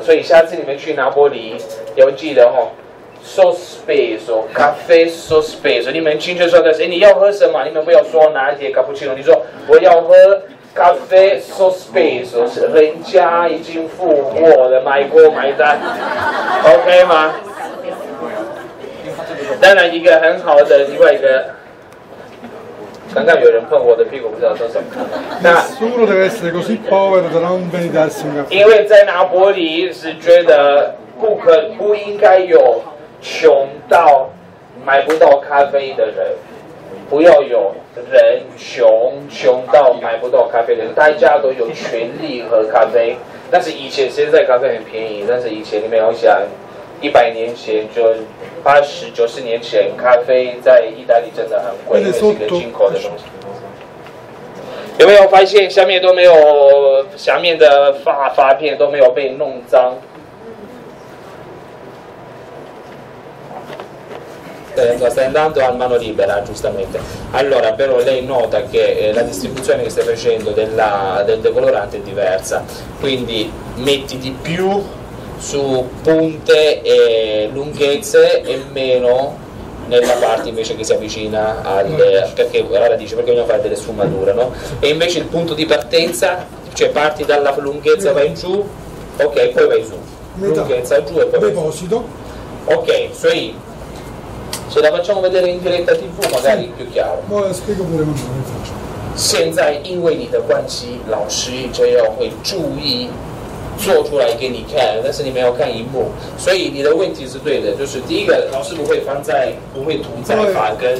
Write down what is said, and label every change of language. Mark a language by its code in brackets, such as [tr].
[zh] 所以下次你们去拿破里要记得哦，sospeso， 咖啡 sospeso， 你们进去说的是，你要喝什么？你们不要说拿铁、卡布奇诺，你说我要喝咖啡 sospeso， 是人家已经付我的，买过买单，OK 吗？当然，一个很好的另外一个，刚刚有人碰我的屁股，不知道说什么。 [it] Nessuno deve essere così povero da non venirsi a fare。 [zh] 因为在拿破里是觉得不应该有。穷到买不到咖啡的人，不要有人穷到买不到咖啡的人，大家都有权利喝咖啡。但是以前现在咖啡很便宜，但是以前你没有想，100年前就80、90年前，咖啡在意大利真的很贵，是一个进口的东西。有没有发现下面都没有，下面的发片都没有被弄脏？ [it] Sta andando a mano libera, giustamente. Allora, però lei nota che la distribuzione che stai facendo del decolorante è diversa. Quindi metti di più su punte e lunghezze e meno nella parte invece che si avvicina al... Perché allora dice, perché vogliamo fare delle sfumature, no? E invece il punto di partenza, cioè parti dalla lunghezza, vai giù, ok, poi vai su. Lunghezza giù e poi vai su. Deposito. Ok, sui... Ce la facciamo vedere in diretta TV, magari più chiaro. Ma la spiego pure come faccio. [zh] 现在因为你的关系，老师就要会注意做出来给你看，但是你没有看荧幕，所以你的问题是对的。就是第一个，老师不会涂在发根。